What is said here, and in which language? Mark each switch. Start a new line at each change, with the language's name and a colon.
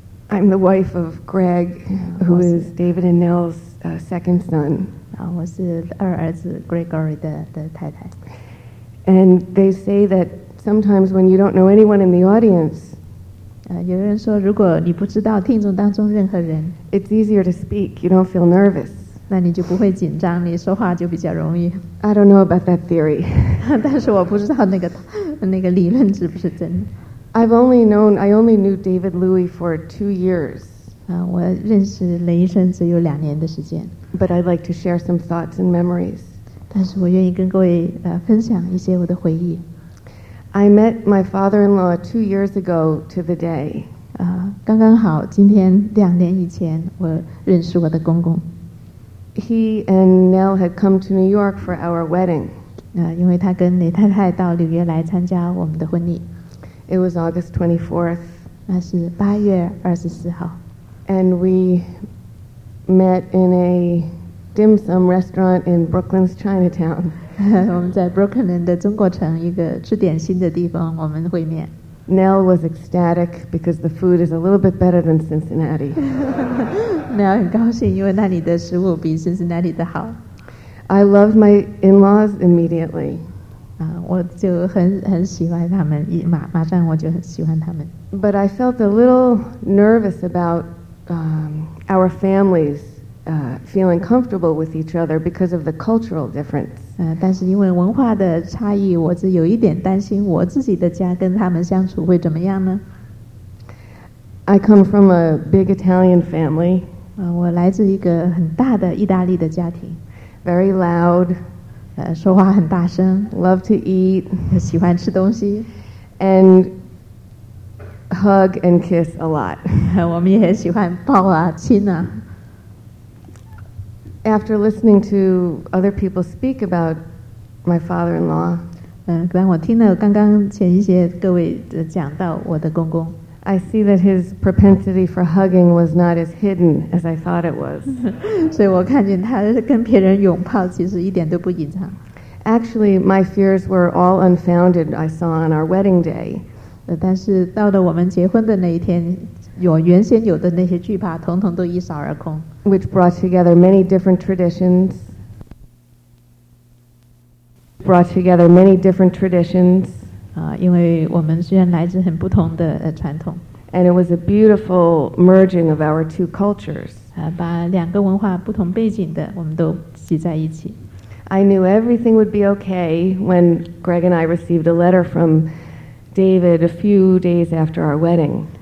English: I'm the wife of Greg, who is David and Nell's second son.
Chinese: 我是二儿子 Gregory 的太太。
English: And they say that sometimes when you don't know anyone in the audience,
Chinese: 有人说如果你不知道听众当中任何人
English: it's easier to speak, you don't feel nervous.
Chinese: 那你就不会紧张，你说话就比较容易。
English: I don't know about that theory.
Chinese: 但是我不知道那个理论是不是真的。
English: I only knew David Louie for 2 years.
Chinese: 我认识雷医生只有两年的时间。
English: But I'd like to share some thoughts and memories.
Chinese: 但是我愿意跟各位分享一些我的回忆。
English: I met my father-in-law 2 years ago to the day.
Chinese: 刚刚好今天两年以前我认识我的公公。
English: He and Nell had come to New York for our wedding.
Chinese: 因为他跟雷太太到纽约来参加我们的婚礼。
English: It was August 24th.
Chinese: 那是八月二十四号。
English: And we met in a dim sum restaurant in Brooklyn's Chinatown.
Chinese: 我们在 Brooklyn 的中国城一个吃点心的地方我们会面。
English: Nell was ecstatic because the food is a little bit better than Cincinnati.
Chinese: Nell 很高兴，因为那里的食物比 Cincinnati 的好。
English: I loved my in-laws immediately.
Chinese: 我就很喜欢他们，马上我就很喜欢他们。
English: But I felt a little nervous about our families feeling comfortable with each other because of the cultural difference.
Chinese: 但是因为文化的差异，我是有一点担心我自己的家跟他们相处会怎么样呢？
English: I come from a big Italian family.
Chinese: 我来自一个很大的意大利的家庭。
English: Very loud.
Chinese: 说话很大声。
English: Love to eat.
Chinese: 喜欢吃东西。
English: And hug and kiss a lot.
Chinese: 我们也很喜欢抱啊，亲啊。
English: After listening to other people speak about my father-in-law,
Chinese: 当我听了刚刚前一些各位讲到我的公公
English: I see that his propensity for hugging was not as hidden as I thought it was.
Chinese: 所以我看见他跟别人拥抱其实一点都不隐藏
English: Actually, my fears were all unfounded, I saw on our wedding day.
Chinese: 但是到了我们结婚的那一天我原先有的那些惧怕统统都一扫而空
English: which brought together many different traditions. And it was a beautiful merging of our two cultures. I knew everything would be okay when Greg and I received a letter from David a few days after our wedding.